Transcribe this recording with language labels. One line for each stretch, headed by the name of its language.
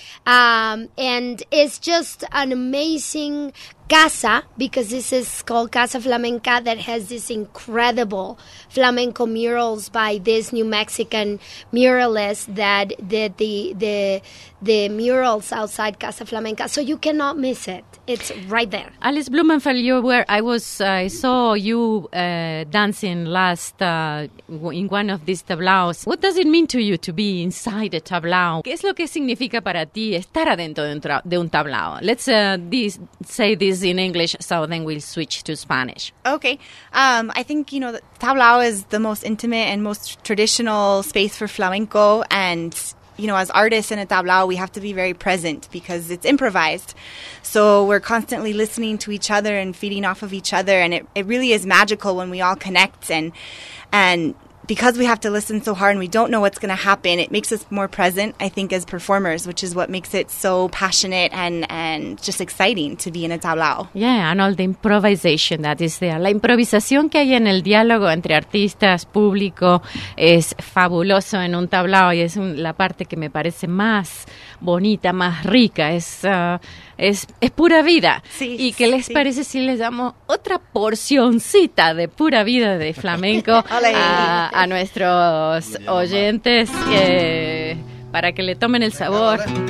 English: And it's just an amazing casa, because this is called Casa Flamenca, that has this incredible flamenco murals by this New Mexican muralist that did the murals outside Casa Flamenca. So you cannot miss it. It's right there. Alice Blumenfeld, you were, I saw you dancing last in one of these tablaos. What does it mean to you to be inside a tablao?
Spanish: ¿Qué es lo que significa para ti estar adentro de un tablao?
English: Let's say this in English, so then we'll switch to Spanish. Okay. I think, you know, the tablao is the most intimate and most traditional space for flamenco, and you know, as artists in a tablao, we have to be very present because it's improvised. So we're constantly listening to each other and feeding off of each other. And it really is magical when we all connect. And because we have to listen so hard and we don't know what's going to happen, it makes us more present, I think, as performers, which is what makes it so passionate and just exciting to be in a tablao. Yeah, and all the improvisation that is there.
Spanish: La improvisación que hay en el diálogo entre artistas, público, es fabuloso en un tablao y es la parte que me parece más bonita, más rica. Es pura vida. Sí, ¿y qué les parece si les damos otra porcioncita de pura vida de flamenco a nuestros oyentes para que le tomen el sabor?